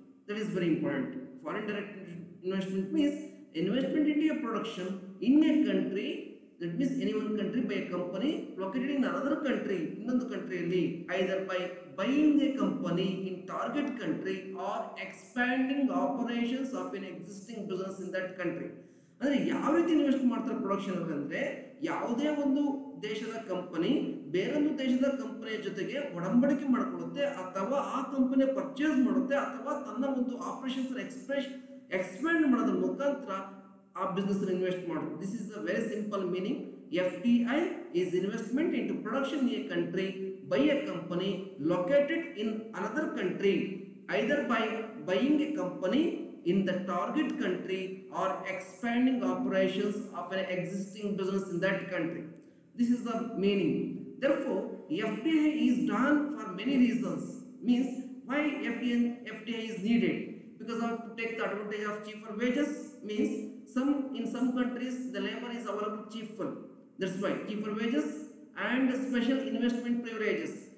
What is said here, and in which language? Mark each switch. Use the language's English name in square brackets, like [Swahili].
[English] That is very important. Foreign direct investment means investment into a production in a country. That means any one country by a company located in another country, in another country, either by buying a company in target country or expanding operations of an existing business in that country. [Kannada] ಅಂದ್ರೆ ಯಾವ ರೀತಿ invest ಮಾಡ್ತಾರೆ production ಅಂದ್ರೆ, ಯಾವುದೇ ಒಂದು ದೇಶದ company ಬೇರೊಂದು ದೇಶದ ಕಂಪನಿಯ ಜೊತೆಗೆ ಒಡಂಬಡಿಕೆ ಮಾಡಿಕೊಡುತ್ತೆ ಅಥವಾ ಆ ಕಂಪನಿ ಪರ್ಚೇಸ್ ಮಾಡುತ್ತೆ ಅಥವಾ ತನ್ನ ಒಂದು ಆಪರೇಷನ್ಸ್ ಎಕ್ಸ್ಪ್ಯಾಂಡ್ ಮಾಡೋದ್ರ ಮುಖಾಂತರ ಆ ಬಿಸ್ನೆಸ್ ಇನ್ವೆಸ್ಟ್ ಮಾಡುತ್ತೆ. [English] This is a very simple meaning. FDI is investment into production in a country by a company located in another country, either by buying a company in the target country or expanding operations of an existing business in that country. This is the meaning. Therefore, FDI is done for many reasons. Means, why FDI is needed? Because of to take the advantage of cheaper wages. Means, in some countries, the labor is available cheaper. That's why, cheaper wages and special investment privileges.